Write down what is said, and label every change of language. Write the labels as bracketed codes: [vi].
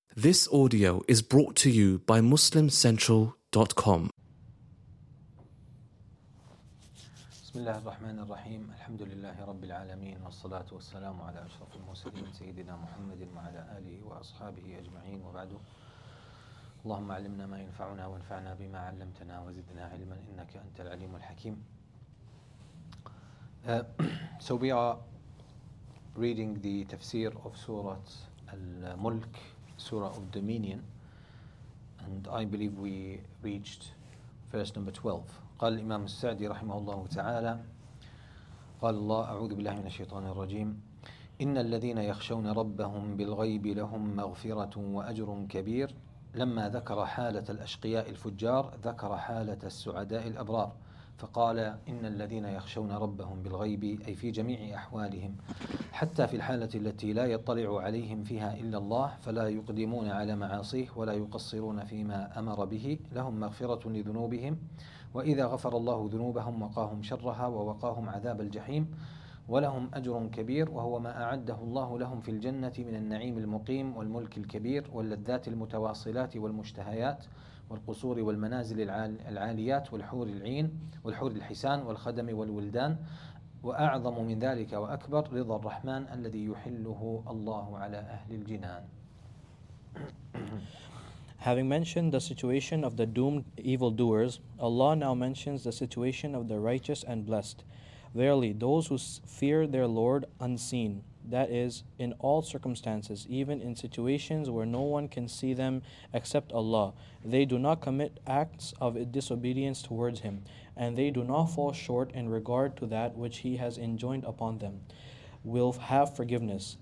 [en] This audio is brought to you by MuslimCentral.com. [ar] بسم الله الرحمن الرحيم الحمد لله رب العالمين والصلاة والسلام على أشرف المرسلين سيدنا محمد وعلى آله وأصحابه أجمعين وبعد اللهم علمنا ما ينفعنا وانفعنا بما علمتنا وزدنا علما إنك أنت العليم الحكيم. [en] So we are reading the tafsir of Surah Al-Mulk, Surah of Dominion, and I believe we reached verse number 12. [ar] قال الإمام السعدي رحمه الله تعالى قال الله أعوذ بالله من الشيطان الرجيم إن الذين يخشون ربهم بالغيب لهم مغفرة وأجر كبير. لما ذكر حالة الأشقياء الفجار ذكر حالة السعداء الأبرار فقال إن الذين يخشون ربهم بالغيب أي في جميع أحوالهم حتى في الحالة التي لا يطلع عليهم فيها إلا الله فلا يقدمون على معاصيه ولا يقصرون فيما أمر به لهم مغفرة لذنوبهم وإذا غفر الله ذنوبهم وقاهم شرها ووقاهم عذاب الجحيم ولهم أجر كبير وهو ما أعده الله لهم في الجنة من النعيم المقيم والملك الكبير واللذات المتواصلات والمشتهيات والقصور والمنازل العاليات والحور العين والحور الحسان والخدم والولدان وأعظم من ذلك وأكبر رضا الرحمن الذي يحله الله على أهل الجنان. [en] Having mentioned the situation of the doomed evildoers, Allah now mentions the situation of the righteous and blessed. Verily, those who fear their Lord unseen, that is, in all circumstances, even in situations where no one can see them except Allah, they do not commit acts of disobedience towards Him, and they do not fall short in regard to that which He has enjoined upon them, will have forgiveness.